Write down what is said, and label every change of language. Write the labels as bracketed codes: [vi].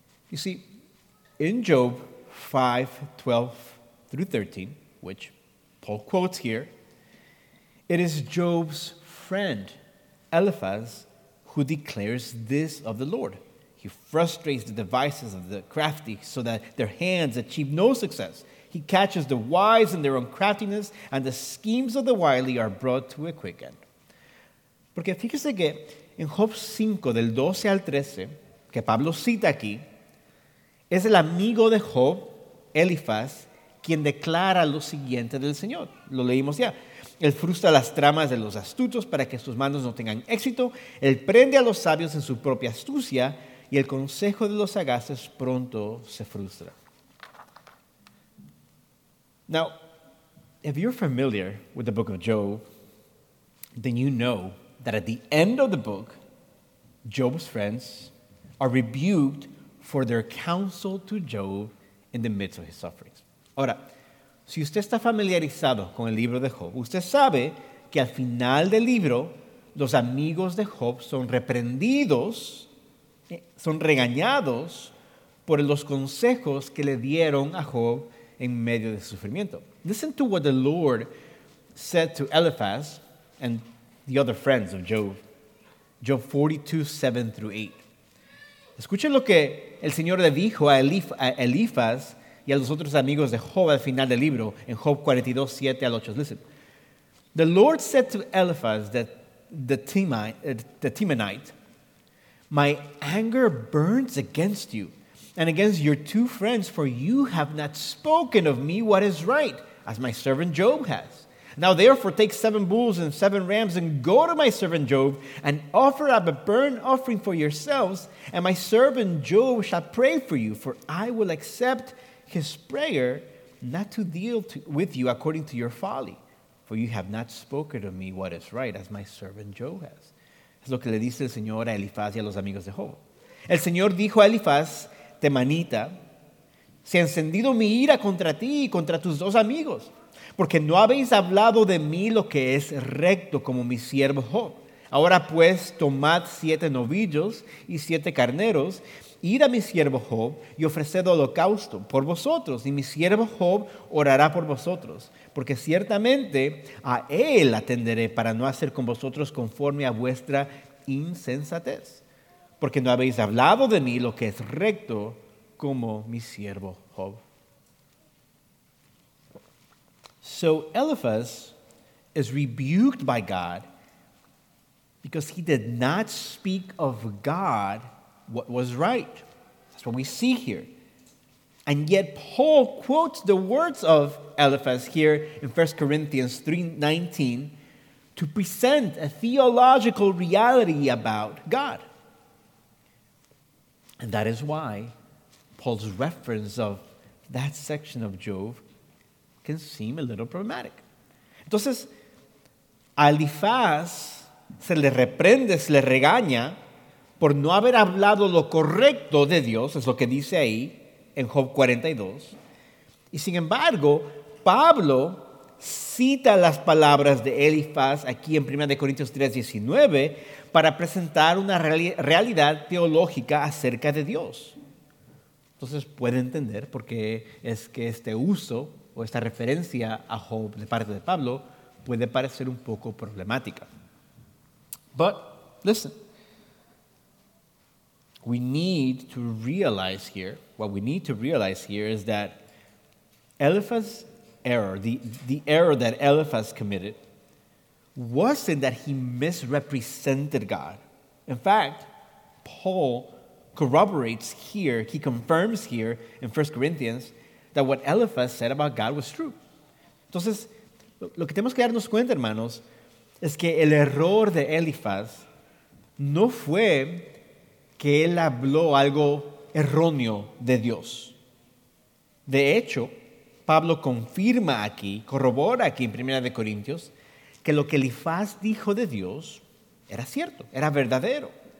[en] You see, in Job 5:12-13, which Paul quotes here, it is Job's friend, Eliphaz, who declares this of the Lord. He frustrates the devices of the crafty so that their hands achieve no success. He catches the wise in their own craftiness, and the schemes of the wily are brought to a quick end. [es] Porque fíjese que en Job 5, del 12 al 13, que Pablo cita aquí, es el amigo de Job, Eliphaz, quien declara lo siguiente del Señor. Lo leímos ya. Él frustra las tramas de los astutos para que sus manos no tengan éxito. Él prende a los sabios en su propia astucia y el consejo de los sagaces pronto se frustra. [en] Now, if you're familiar with the book of Job, then you know that at the end of the book, Job's friends are rebuked for their counsel to Job in the midst of his sufferings. [es] Ahora, si usted está familiarizado con el libro de Job, usted sabe que al final del libro, los amigos de Job son reprendidos, son regañados por los consejos que le dieron a Job en medio de su sufrimiento. [en] Listen to what the Lord said to Eliphaz and the other friends of Job. Job 42:7-8. [es] Escuchen lo que el Señor le dijo a Eliphaz y a los otros amigos de Job al final del libro, en Job 42:7-8. [en] Listen. The Lord said to Eliphaz, the Temanite, my anger burns against you and against your two friends, for you have not spoken of me what is right, as my servant Job has. Now therefore take 7 bulls and 7 rams and go to my servant Job and offer up a burnt offering for yourselves, and my servant Job shall pray for you, for I will accept his prayer not to deal with you according to your folly, for you have not spoken to me what is right as my servant Job has. [es] Es lo que le dice el Señor a Elifaz y a los amigos de Job. El Señor dijo a Elifaz, Temanita, se ha encendido mi ira contra ti y contra tus dos amigos, porque no habéis hablado de mí lo que es recto como mi siervo Job. Ahora pues, tomad 7 novillos y 7 carneros, id a mi siervo Job y ofreced holocausto por vosotros, y mi siervo Job orará por vosotros, porque ciertamente a él atenderé para no hacer con vosotros conforme a vuestra insensatez. Porque no habéis hablado de mí lo que es recto como mi siervo Job. [en] So Eliphaz is rebuked by God because he did not speak of God what was right. That's what we see here. And yet Paul quotes the words of Eliphaz here in 1 Corinthians 3:19 to present a theological reality about God. And that is why Paul's reference of that section of Job can seem a little problematic. [es] Entonces, a Elifaz se le reprende, se le regaña por no haber hablado lo correcto de Dios, es lo que dice ahí en Job 42. Y sin embargo, Pablo cita las palabras de Elifaz aquí en 1 Corintios 3:19 para presentar una realidad teológica acerca de Dios. Entonces puede entender por qué es que este uso o esta referencia a Job de parte de Pablo puede parecer un poco problemática. [en] But listen, we need to realize here, what we need to realize here is that Eliphaz's error, the error that Eliphaz committed, wasn't that he misrepresented God. In fact, Paul corroborates here, he confirms here in 1 Corinthians that what Eliphaz said about God was true. [es] Entonces, lo que tenemos que darnos cuenta, hermanos, es que el error de Eliphaz no fue que él habló algo erróneo de Dios. De hecho, Pablo confirma aquí, corrobora aquí en 1 Corintios, que lo que Eliphaz dijo de Dios era cierto, era verdadero.